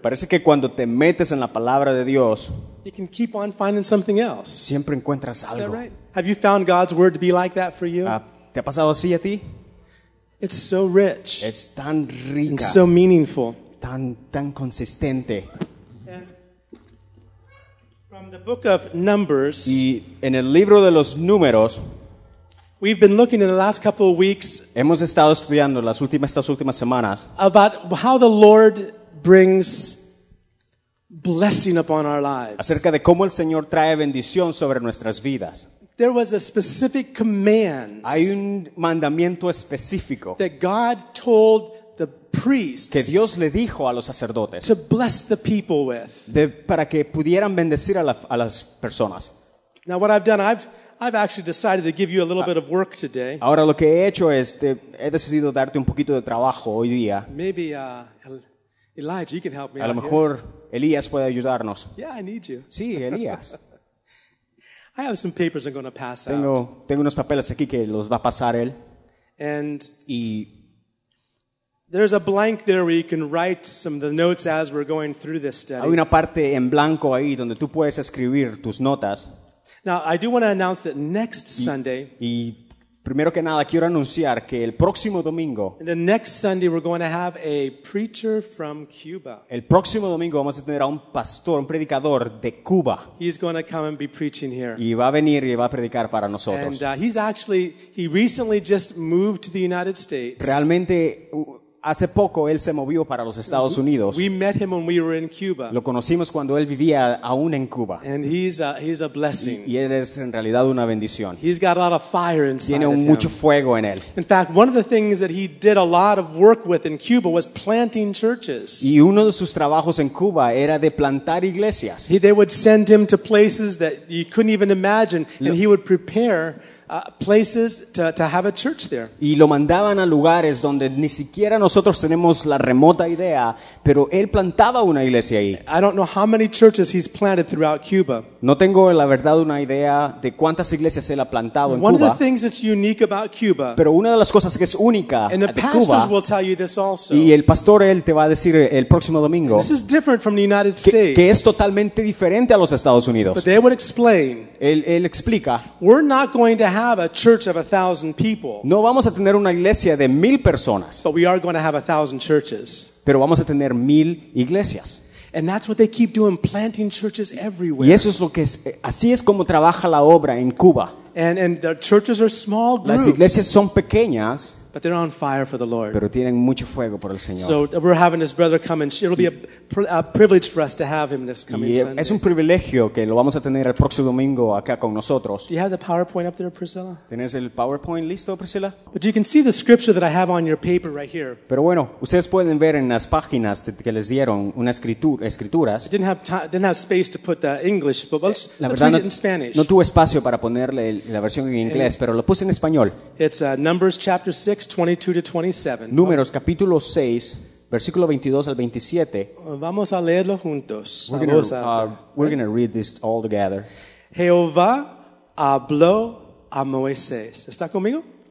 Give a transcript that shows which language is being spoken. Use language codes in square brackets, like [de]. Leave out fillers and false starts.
[es] parece que cuando te metes en la palabra de Dios, [en] you can keep on finding something else. [es] Siempre encuentras algo. [en] Is that right? Have you found God's word to be like that for you? [es] ¿Te ha pasado así a ti? [en] It's so rich. [es] Es tan rica. [en] And so meaningful. [es] Tan consistente. [en] From the book of Numbers. [es] Y en el libro de los números. [en] We've been looking in the last couple of weeks. [es] Hemos estado estudiando estas últimas semanas. [en] About how the Lord brings blessing upon our lives. [es] Acerca de cómo el Señor trae bendición sobre nuestras vidas. [en] There was a specific command. [es] Hay un mandamiento específico. [en] That God told the priests. [es] Que Dios le dijo a los sacerdotes. [en] To bless the people with. [es] Para que pudieran bendecir a las personas. [en] Now what I've done, I've actually decided to give you a little bit of work today. [es] Ahora lo que he hecho es he decidido darte un poquito de trabajo hoy día. [en] Maybe Elijah, you can help me. [es] A lo mejor Elías puede ayudarnos. [en] Yeah, I need you. [es] Sí, Elías. [en] I have some papers I'm going to pass out. [es] Tengo unos papeles aquí que los va a pasar él. [en] And [es] y [en] there's a blank there where you can write some of the notes as we're going through this study. [es] Hay una parte en blanco ahí donde tú puedes escribir tus notas. [en] Now, I do want to announce that next Sunday. [es] Y primero que nada, quiero anunciar que el próximo domingo. [en] And the next Sunday, we're going to have a preacher from Cuba. [es] El próximo domingo vamos a tener a un pastor, un predicador de Cuba. [en] He's going to come and be preaching here. [es] Y va a venir y va a predicar para nosotros. [en] And he recently just moved to the United States. [es] Realmente, hace poco él se movió para los Estados Unidos. [en] We met him when we were in Cuba. [es] Lo conocimos cuando él vivía aún en Cuba. [en] And he's a blessing. [es] Y él es en realidad una bendición. [en] He's got a lot of fire inside. [es] Tiene mucho fuego en él. [en] In fact, one of the things that he did a lot of work with in Cuba was planting churches. [es] Y uno de sus trabajos en Cuba era de plantar iglesias. [en] They would send him to places that you couldn't even imagine, and he would prepare places to have a church there. [es] Y lo mandaban a lugares donde ni siquiera nosotros tenemos la remota idea, pero él plantaba una iglesia ahí. [en] I don't know how many churches he's planted throughout Cuba. [es] No tengo la verdad una idea de cuántas iglesias él ha plantado en [en] Cuba. One of the things that's unique about Cuba. [es] Pero una de las cosas que es única [en] de Cuba. Pastors will tell you this also. [es] Y el pastor él te va a decir el próximo domingo. [en] This is different from the United States. [es] Que es totalmente diferente a los Estados Unidos. [en] But they would explain. [es] Él explica. [en] We're not going to have a church of 1,000 people. [es] No vamos a tener una iglesia de 1,000 personas. [en] But we are going to have 1,000 churches. [es] Pero vamos a tener 1,000 iglesias. [en] And that's what they keep doing, planting churches everywhere. [es] Y eso es lo que es, así es como trabaja la obra en Cuba. [en] And the churches are small groups. [es] Las iglesias son pequeñas, [en] but they're on fire for the Lord. [es] Pero tienen mucho fuego por el Señor. [en] So we're having this brother come, and it'll be a privilege for us to have him this coming Sunday. [es] Es un privilegio que lo vamos a tener el próximo domingo acá con nosotros. [en] Do you have the PowerPoint up there, Priscilla? [es] ¿Tienes el PowerPoint listo, Priscilla? [en] But you can see the scripture that I have on your paper right here. [es] Pero bueno, ustedes pueden ver en las páginas que les dieron unas escrituras. [en] Didn't have space to put the English, but let's read it in Spanish. [es] No tuve espacio para ponerle la versión en inglés, pero lo puse en español. [en] It's Numbers chapter 6. 22-27. [es] Números capítulo 6, versículo 22 al 27. Vamos a leerlo juntos. [en] We're going to read this all together. [es] Jehová habló a Moisés. ¿Está conmigo?